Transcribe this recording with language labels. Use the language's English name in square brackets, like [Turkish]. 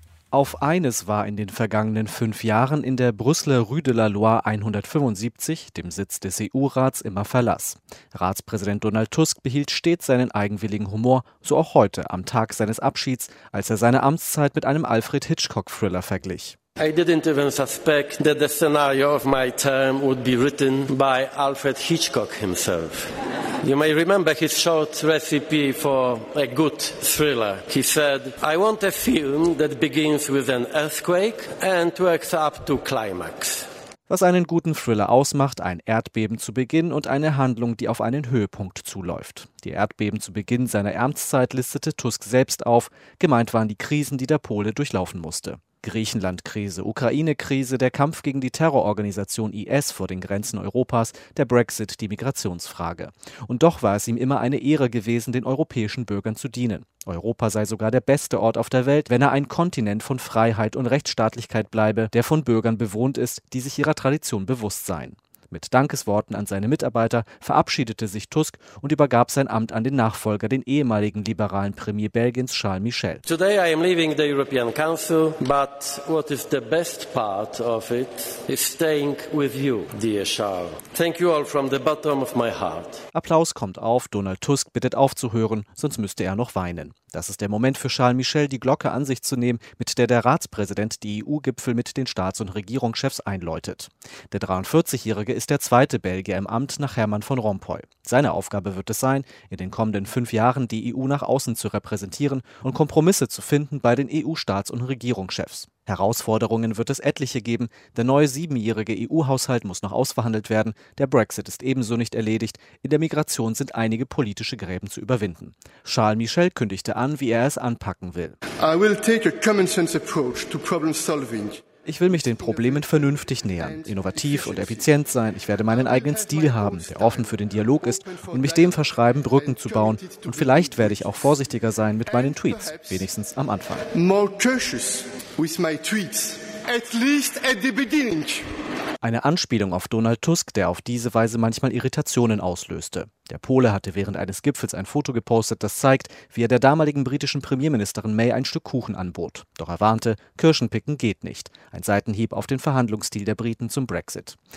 [German] Auf eines war in den vergangenen 5 Jahren in der Brüsseler Rue de la Loire 175, dem Sitz des EU-Rats, immer Verlass. Ratspräsident Donald Tusk behielt stets seinen eigenwilligen Humor, so auch heute, am Tag seines Abschieds, als er seine Amtszeit mit einem Alfred Hitchcock-Thriller verglich. [English] I didn't even suspect that the scenario of my term would be written by Alfred Hitchcock himself. You may remember his short recipe for a good thriller. He said, I want a film that begins with an earthquake and works up to climax. [German] Was einen guten Thriller ausmacht, ein Erdbeben zu Beginn und eine Handlung, die auf einen Höhepunkt zuläuft. Die Erdbeben zu Beginn seiner Amtszeit listete Tusk selbst auf. Gemeint waren die Krisen, die der Pole durchlaufen musste. Griechenland-Krise, Ukraine-Krise, der Kampf gegen die Terrororganisation IS vor den Grenzen Europas, der Brexit, die Migrationsfrage. Und doch war es ihm immer eine Ehre gewesen, den europäischen Bürgern zu dienen. Europa sei sogar der beste Ort auf der Welt, wenn er ein Kontinent von Freiheit und Rechtsstaatlichkeit bleibe, der von Bürgern bewohnt ist, die sich ihrer Tradition bewusst seien. Mit Dankesworten an seine Mitarbeiter verabschiedete sich Tusk und übergab sein Amt an den Nachfolger, den ehemaligen liberalen Premier Belgiens Charles Michel. [English] Today I am leaving the European Council, but what is the best part of it is staying with you, dear Charles. Thank you all from the bottom of my heart. [German] Applaus kommt auf, Donald Tusk bittet aufzuhören, sonst müsste er noch weinen. Das ist der Moment für Charles Michel, die Glocke an sich zu nehmen, mit der der Ratspräsident die EU-Gipfel mit den Staats- und Regierungschefs einläutet. Der 43-Jährige ist der zweite Belgier im Amt nach Herman Van Rompuy. Seine Aufgabe wird es sein, in den kommenden 5 Jahren die EU nach außen zu repräsentieren und Kompromisse zu finden bei den EU-Staats- und Regierungschefs. Herausforderungen wird es etliche geben. Der neue 7-jährige EU-Haushalt muss noch ausverhandelt werden. Der Brexit ist ebenso nicht erledigt. In der Migration sind einige politische Gräben zu überwinden. Charles Michel kündigte an, wie er es anpacken will. [English] I will take a common sense approach to problem solving. [German] Ich will mich den Problemen vernünftig nähern, innovativ und effizient sein. Ich werde meinen eigenen Stil haben, der offen für den Dialog ist und mich dem verschreiben, Brücken zu bauen. Und vielleicht werde ich auch vorsichtiger sein mit meinen Tweets, wenigstens am Anfang. [English] More cautious with my tweets, at least at the beginning. [German] Eine Anspielung auf Donald Tusk, der auf diese Weise manchmal Irritationen auslöste. Der Pole hatte während eines Gipfels ein Foto gepostet, das zeigt, wie er der damaligen britischen Premierministerin May ein Stück Kuchen anbot. Doch er warnte, Kirschenpicken geht nicht. Ein Seitenhieb auf den Verhandlungsstil der Briten zum Brexit.